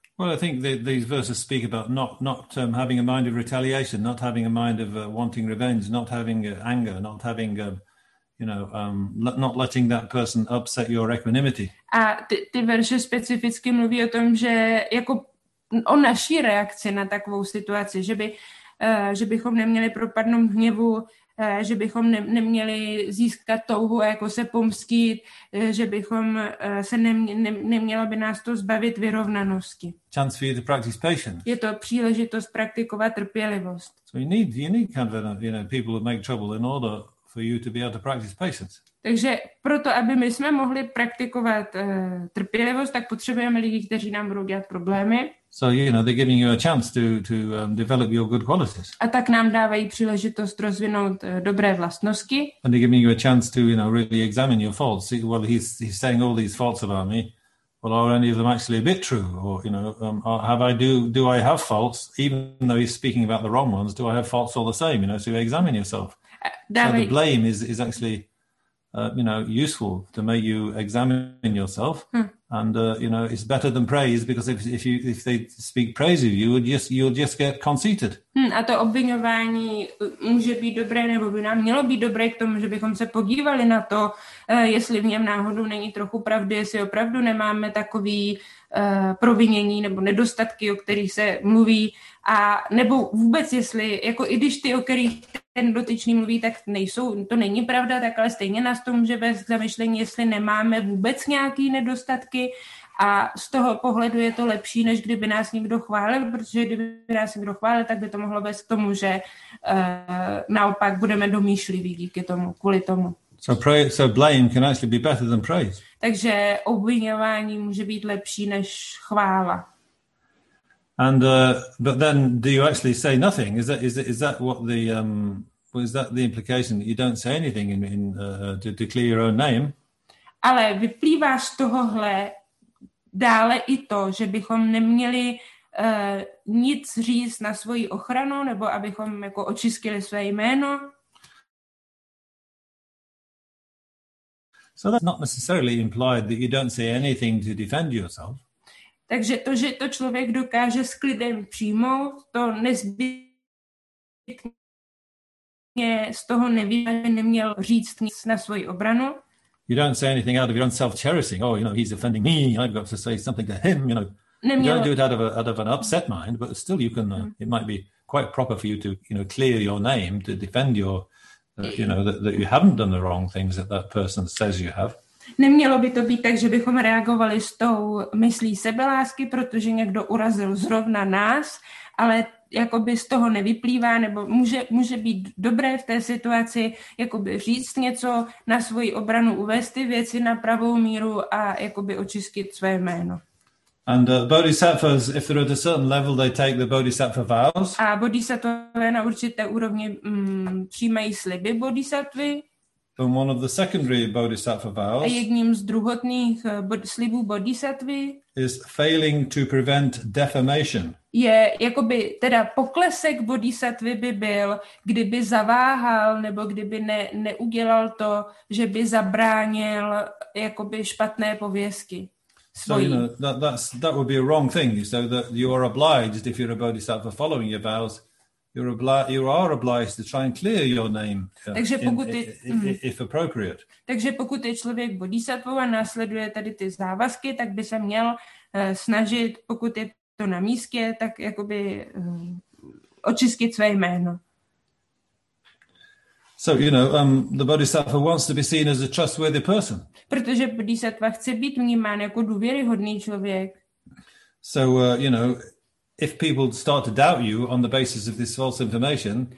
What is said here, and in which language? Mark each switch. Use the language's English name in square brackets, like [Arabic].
[English] Well, I think these verses speak about not having a mind of retaliation, not having a mind of wanting revenge, not having anger, not having, you know, not letting that person upset your equanimity. [Czech] A ty verše specificky mluví o tom, že jako o naší reakci na takovou situaci, že bychom neměli propadnout hněvu, že bychom neměli získat touhu jako se pomstit, že bychom se nemělo by nás to zbavit vyrovnanosti. [English] Chance for you to practice patience. [Czech] Je to příležitost praktikovat trpělivost. [English] So you need kind of, you know, people who make trouble in order for you to be able to practice patience. [Czech] Takže proto, aby my jsme mohli praktikovat trpělivost, tak potřebujeme lidi, kteří nám budou dělat problémy. [English] So, you know, they're giving you a chance to develop your good qualities. [Czech] A tak nám dávají příležitost rozvinout dobré vlastnosti. [English] And they're giving you a chance to, you know, really examine your faults. Well, he's saying all these faults about me. Well, are any of them actually a bit true? Or, you know, do I have faults? Even though he's speaking about the wrong ones, do I have faults all the same? You know, so you examine yourself. [Czech] Dávají. [English] So the blame is actually, you know, useful to make you examine yourself. And you know, it's better than praise, because if they speak praise of you, you'll just get conceited. [Czech] A to obviňování může být dobré, nebo by nám mělo být dobré k tomu, že bychom se podívali na to, jestli v něm náhodou není trochu pravdy, jestli opravdu nemáme takový provinění nebo nedostatky, o kterých se mluví, a nebo vůbec, jestli jako i když ty, o kterých ten dotyčný mluví, tak nejsou, to není pravda, tak ale stejně nás to může bez zamyšlení, jestli nemáme vůbec nějaký nedostatky, a z toho pohledu je to lepší, než kdyby nás někdo chválil, protože kdyby nás někdo chválil, tak by to mohlo vést k tomu, že naopak budeme domýšliví díky tomu, kvůli tomu. [English] So blame can actually be better than praise. [Czech] Takže obviňování může být lepší než chvála. [English] And but then do you actually say nothing? Is that what the is that the implication that you don't say anything to clear your own name? [Czech] Ale vyplývá z tohohle dále i to, že bychom neměli nic říct na svoji ochranu, nebo abychom jako očistili své jméno. [English] So that's not necessarily implied that you don't say anything to defend yourself. [Czech] Takže to, že to člověk dokáže s klidem přijmout, to nezbytně mě z toho nevyvádí, neměl říct nic na svoji obranu. [English] You don't say anything out of your own self-cherishing. Oh, you know, he's offending me. I've got to say something to him. You know, [Czech] neměl. [English] You don't do it out of an upset mind, but still, you can. It might be quite proper for you to, you know, clear your name to defend your, you know, that you haven't done the wrong things that person says you have. [Czech] Nemělo by to být tak, že bychom reagovali s tou myslí sebelásky, protože někdo urazil zrovna nás, ale jakoby z toho nevyplývá, nebo může být dobré v té situaci jakoby říct něco na svoji obranu, uvést ty věci na pravou míru a jakoby očistit své jméno. [English] And bodhisattvas, if they're at a certain level, they take the bodhisattva vows. [Czech] A bodhisattvové na určité úrovni přijímají sliby bodhisattvy. [English] And one of the secondary bodhisattva vows. [Czech] A jedním z druhotných slibů bodhisattvy. [English] Is failing to prevent defamation. [Czech] Je jakoby teda poklesek bodhisattvy by byl, kdyby zaváhal nebo kdyby neudělal to, že by zabránil jakoby špatné pověsky. [English] So you know, that would be a wrong thing. So that you are obliged, if you're a bodhisattva following your vows, you are obliged to try and clear your name. [Czech] Takže pokud [English] if appropriate. [Czech] Takže pokud je člověk bodhisattva a následuje tady ty závazky, tak by se měl snažit, pokud je to na místě, tak jakoby očistit své jméno. [English] So you know, the bodhisattva wants to be seen as a trustworthy person. [Czech] Protože bodhisattva chce být vnímán jako důvěryhodný člověk. [English] So you know, if people start to doubt you on the basis of this false information,